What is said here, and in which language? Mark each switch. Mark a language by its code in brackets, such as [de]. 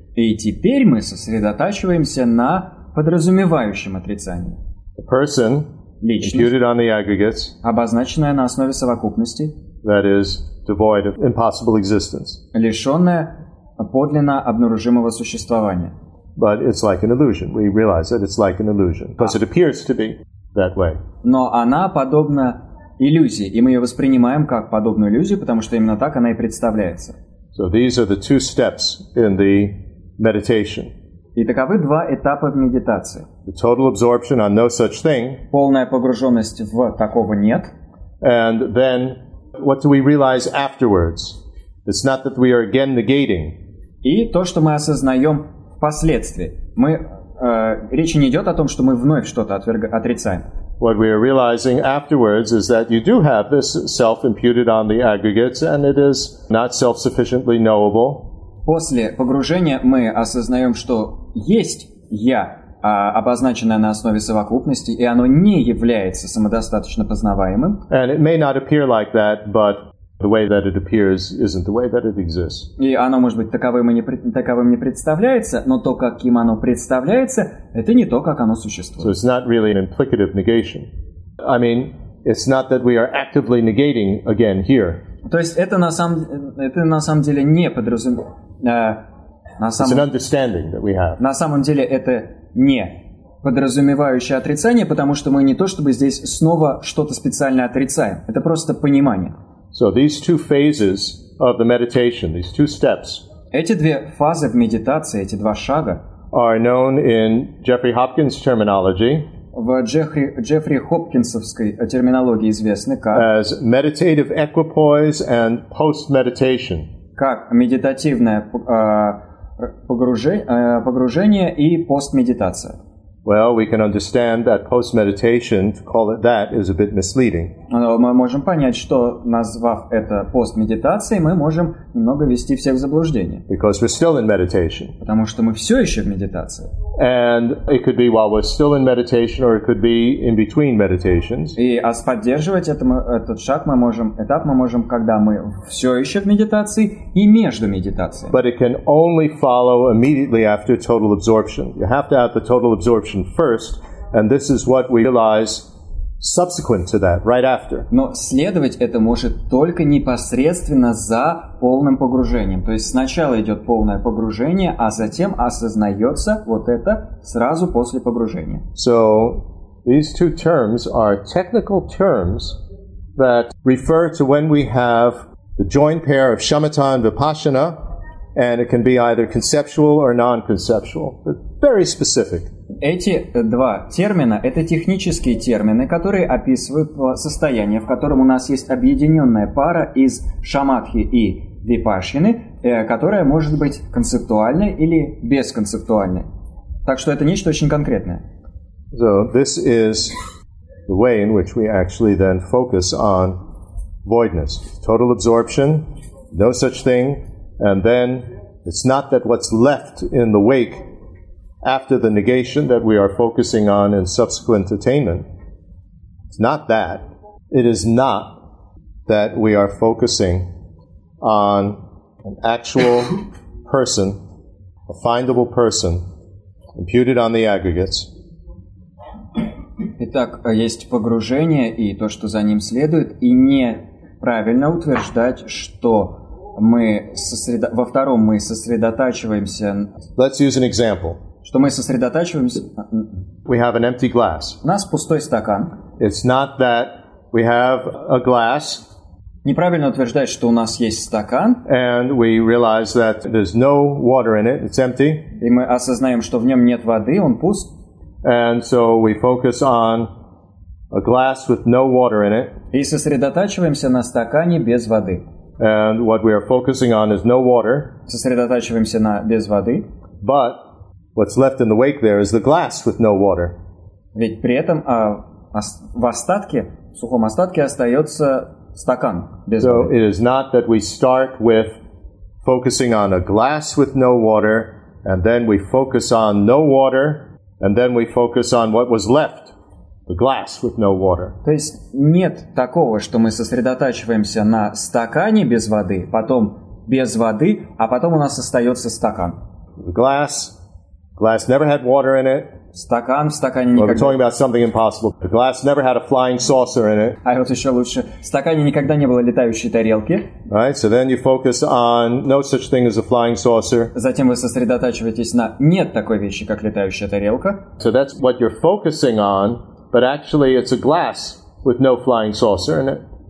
[ru] И теперь мы сосредотачиваемся на подразумевающем отрицании. [en] The person, [ru] личность, [en] imputed on the aggregates, [ru] обозначенная на основе совокупности, [en] that is devoid of impossible existence, [ru] лишенная подлинно обнаружимого существования. [en] But it's like an illusion. We realize that it's like an illusion, because it appears to be that way. [ru] Но она подобна иллюзии, и мы ее воспринимаем как подобную иллюзию, потому что именно так она и представляется. [en] So these are the two steps in the meditation. [ru] И таковы два этапа в медитации. [en] The total absorption on no such thing. [ru] Полная погруженность в такого нет. [en] And then, what do we realize afterwards? It's not that we are again negating. [ru] И то, что мы осознаем. Впоследствии. Речи не идет о том, что мы вновь что-то отрицаем. [en] What we are realizing afterwards is that you do have this self imputed on the aggregates, and it is not self-sufficiently knowable. [ru] После погружения мы осознаем, что есть я, обозначенное на основе совокупности, и оно не является самодостаточно познаваемым. [en] And it may not appear like that, but the way that it appears isn't the way that it exists. [ru] И оно может быть таковым не представляется, но то, каким оно представляется, это не то, как оно существует. [en] So it's not really an implicative negation. I mean, it's not that we are actively negating again here. [ru] То есть это на самом деле не подразумевающее. [en] It's an understanding that we have. [ru] На самом деле это не подразумевающее отрицание, потому что мы не то чтобы здесь снова что-то специально отрицаем. Это просто понимание. [en] So these two phases of the meditation, these two steps, [ru] эти две фазы в медитации, эти два шага, [en] are known in Jeffrey Hopkins terminology, [ru] в Джеффри Хопкинсовской терминологии известны как, [en] as meditative equipoise and post-meditation, [ru] как медитативное погружение и постмедитация. [en] Well, we can understand that post-meditation, to call it that, is a bit misleading. [ru] Мы можем понять, что, назвав это пост-медитацией, мы можем немного ввести всех в заблуждение. [en] Because we're still in meditation. [ru] Потому что мы все еще в медитации. [en] And it could be while we're still in meditation, or it could be in between meditations. [ru] И поддерживать этот этап мы можем, когда мы все еще в медитации и между медитациями. [en] But it can only follow immediately after total absorption. You have to have the total absorption first, and this is what we realize subsequent to that, right after. [ru] Но следовать это может только непосредственно за полным погружением. То есть сначала идет полное погружение, а затем осознается вот это сразу после погружения. [en] So these two terms are technical terms that refer to when we have the joint pair of shamatha and vipassana, and it can be either conceptual or non-conceptual. Very specific. [ru] Эти два термина – это технические термины, которые описывают состояние, в котором у нас есть объединенная пара из шамадхи и випашьины, которая может быть концептуальной или бесконцептуальной. Так что это нечто очень конкретное. [en] So this is the way in which we actually then focus on voidness. Total absorption, no such thing, and then it's not that what's left in the wake after the negation that we are focusing on in subsequent attainment, it's not that. It is not that we are focusing on an actual person, a findable person, imputed on the aggregates. [ru] Итак, есть погружение и то, что за ним следует, и неправильно утверждать, что мы во втором мы сосредотачиваемся. [en] Let's use an example. [ru] Что мы сосредотачиваемся... [en] We have an empty glass. [ru] У нас пустой стакан. [en] It's not that we have a glass. [ru] Неправильно утверждать, что у нас есть стакан. [en] And we realize that there's no water in it, it's empty. [ru] И мы осознаем, что в нем нет воды, он пуст. [en] And so we focus on a glass with no water in it. [ru] И сосредотачиваемся на стакане без воды. [en] And what we are focusing on is no water. [ru] Сосредотачиваемся на без воды. [en] But what's left in the wake there is the glass with no water. [ru] Ведь при этом в остатке, в сухом остатке остается стакан без воды. [en] So it is not that we start with focusing on a glass with no water, and then we focus on no water, and then we focus on what was left, the glass with no water. [ru] То есть нет такого, что мы сосредотачиваемся на стакане без воды, потом без воды, а потом у нас остается стакан. [en] The glass. Glass never had water in it. [ru] Стакан в стакане никогда. [en] We're talking about something impossible. The glass never had a flying saucer in it. [ru] А вот еще лучше. В стакане никогда не было летающей тарелки. [en] Right. So then you focus on no such thing as a flying saucer. [ru] Затем вы сосредотачиваетесь на нет такой вещи, как летающая тарелка. [en] So that's what you're focusing on, but actually it's a glass with no flying saucer in it.